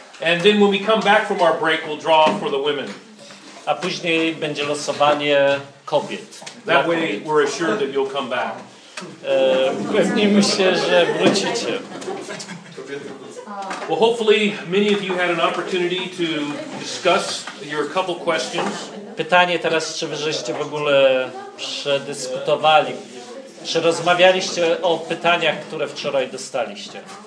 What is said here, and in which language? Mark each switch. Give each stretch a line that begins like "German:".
English: And then when we come back from our break, we'll draw for the women.
Polish: A później będzie losowanie kobiet.
English: That way we're assured that you'll come back.
Polish: Pewnimy się, że wrócicie.
English: Well, hopefully many of you had an opportunity to discuss your couple questions.
Polish: Pytanie teraz, czy wyżeście w ogóle przedyskutowali, czy rozmawialiście o pytaniach, które wczoraj dostaliście.